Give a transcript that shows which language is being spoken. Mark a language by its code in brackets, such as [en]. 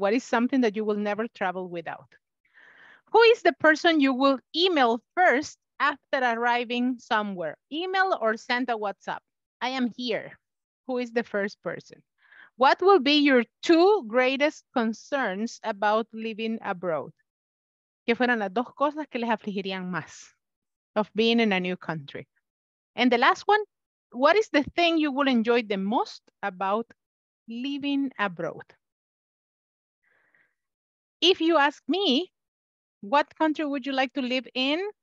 [en] What is something that you will never travel without? Who is the person you will email first after arriving somewhere? Email or send a WhatsApp? I am here. Who is the first person? What will be your two greatest concerns about living abroad? [es] ¿Qué fueran las dos cosas que les afligirían más [en] of being in a new country? And the last one, what is the thing you will enjoy the most about living abroad? If you ask me, what country would you like to live in?